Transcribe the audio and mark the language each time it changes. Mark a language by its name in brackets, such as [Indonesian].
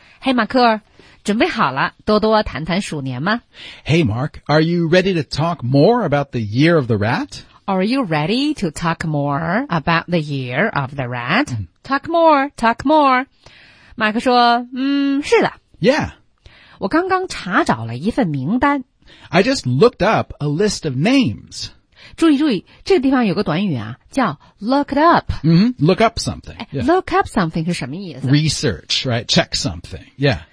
[Chinese] Hey, 马克准备好了多多谈谈鼠年吗 [English] Hey, Mark, are you ready to talk more about the year of the rat? Are you ready to talk more about the year of the rat? Talk more, talk more. [Chinese] 马克说，是的。 [English] Yeah. [Chinese] 我刚刚查找了一份名单。 [English] I just looked up a list of names. [Chinese] 注意，这个地方有个短语啊，叫 looked up.、 [English] Mm-hmm. Look up something.、Yeah. [Chinese] Look up something 是什么意思 [English] ?Research, right? Check something. Yeah.